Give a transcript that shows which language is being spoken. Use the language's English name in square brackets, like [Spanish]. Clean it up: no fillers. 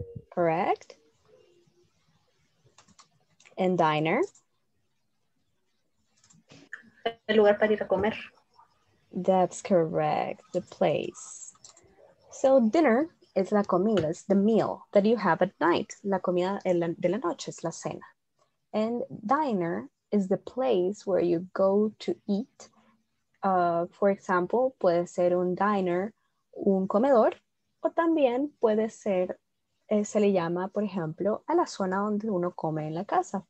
[English] Correct. And diner? [Spanish] El lugar para ir a comer. [English] That's correct, the place. So dinner is la comida, it's the meal that you have at night. [Spanish] La comida de la noche es la cena. [English] And diner is the place where you go to eat. For example, [Spanish] puede ser un diner, un comedor, o también puede ser, se le llama, por ejemplo, a la zona donde uno come en la casa.